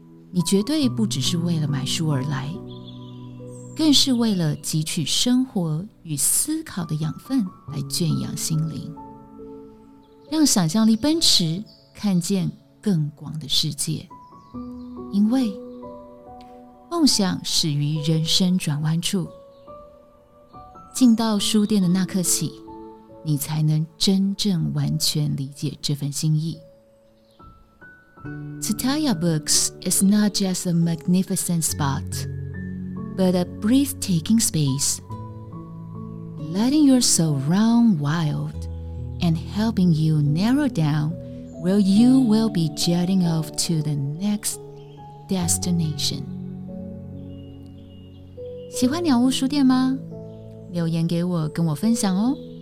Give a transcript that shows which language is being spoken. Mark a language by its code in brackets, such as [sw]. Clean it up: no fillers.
[zh] 你绝对不只是为了买书而来，更是为了汲取生活与思考的养分来圈养心灵，让想象力奔驰，看见更广的世界。因为梦想始于人生转弯处，进到书店的那刻起，你才能真正完全理解这份心意。 [en] Tsutaya Books is not just a magnificent spot, but a breathtaking space, letting your soul run wild and helping you narrow down where you will be jetting off to the next destination. [zh] 喜欢鸟屋书店吗？留言给我，跟我分享哦。